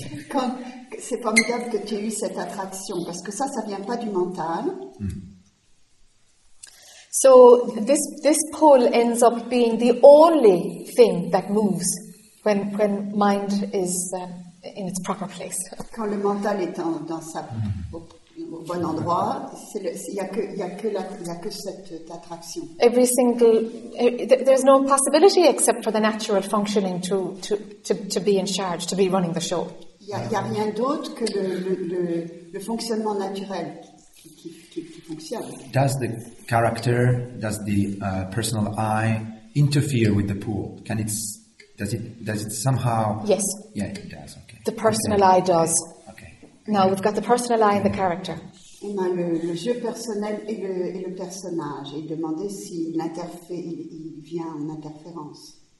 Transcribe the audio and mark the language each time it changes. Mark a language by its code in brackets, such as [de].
[fr] Quand c'est formidable que tu aies eu cette attraction, parce que ça, ça vient pas du mental. [en] So this pole ends up being the only thing that moves when mind is in its proper place. [fr] Quand le mental est en, dans sa au bon endroit, il y a que cette attraction. [en] Every single there's no possibility except for the natural functioning to be in charge, to be running the show. [fr] Il y a rien d'autre que le fonctionnement naturel qui fonctionne. [en] Does the character, does the personal I interfere with the pool? Can it does it somehow? Yes. Yeah, it does. Okay. The personal I does. Now we've got the personal eye and the character. [fr] On a le jeu personnel et le personnage, et demander s'il interfère, il vient en interférence.